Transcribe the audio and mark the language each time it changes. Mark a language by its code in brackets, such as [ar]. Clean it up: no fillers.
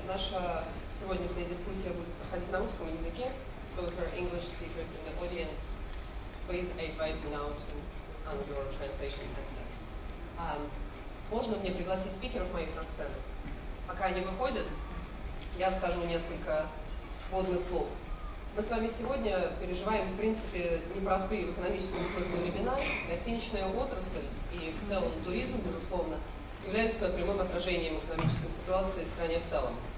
[ru] Наша сегодняшняя дискуссия будет проходить на русском языке. [en] So for English speakers in the audience, please I advise you now to on your translation headsets. [ru] Можно мне пригласить спикеров моих на сцену? Пока они выходят, я скажу несколько вводных слов. Мы с вами сегодня переживаем, в принципе, непростые в экономическом смысле времена. Гостиничная отрасль и в целом туризм, безусловно, являются прямым отражением экономической ситуации в стране в целом.